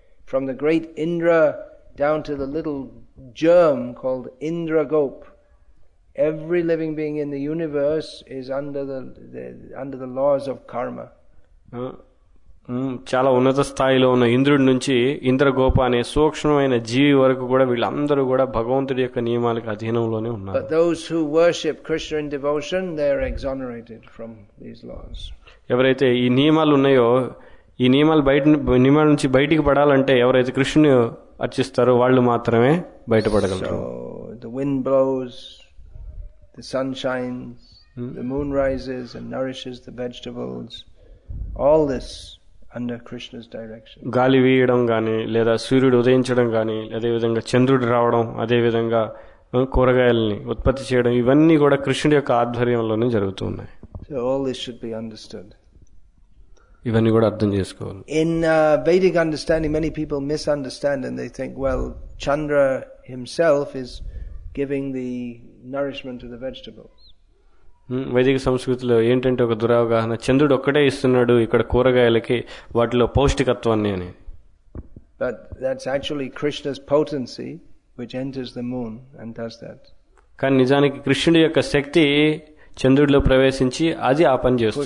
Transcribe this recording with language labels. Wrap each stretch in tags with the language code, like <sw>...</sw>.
<en>From the great Indra down to the little germ called Indra Gop, every living being in the universe is under the laws of karma.</en> <te>చాలా ఉన్నత స్థాయిలో ఉన్న ఇంద్రుడి నుంచి ఇంద్రగోప అనే సూక్ష్మమైన జీవి వరకు కూడా వీళ్ళందరూ కూడా భగవంతుడి యొక్క నియమాలకు అధీనంలోనే ఉన్నారు.</te> <en>But those who worship Krishna in devotion, they are exonerated from these laws.</en> <te>ఎవరైతే ఈ నియమాలు ఉన్నాయో, ఈ నియమాలు బయట నియమాల నుంచి బయటికి పడాలంటే ఎవరైతే కృష్ణుని అర్చిస్తారో వాళ్ళు మాత్రమే బయటపడగలరు.</te> <en>So the wind blows, the sun shines, the moon rises and nourishes the vegetables. All this under Krishna's direction.</en> <te>గాలి వీయడం గానీ, లేదా సూర్యుడు ఉదయించడం గానీ, అదే విధంగా చంద్రుడు రావడం, అదే విధంగా కూరగాయలని ఉత్పత్తి చేయడం, ఇవన్నీ కూడా కృష్ణుడి యొక్క ఆధ్వర్యంలోనే జరుగుతూ ఉన్నాయి.</te> <en>So all this should be understood.</en> <te>ఇవన్నీ కూడా అర్థం చేసుకోవాలి.</te> <en>In Vedic understanding, many people misunderstand and they think, well, Chandra himself is giving the nourishment to the vegetables.</en> <te>వైదిక సంస్కృతిలో ఏంటంటే ఒక దురవగాహన, చంద్రుడు ఒక్కటే ఇస్తున్నాడు ఇక్కడ కూరగాయలకి వాటిలో పౌష్టికత్వాన్ని అని.</te> <en>But that's actually Krishna's potency which enters the moon and does that.</en> <te>కానీ నిజానికి కృష్ణుడి యొక్క శక్తి చంద్రుడిలో ప్రవేశించి అది ఆ పని</te>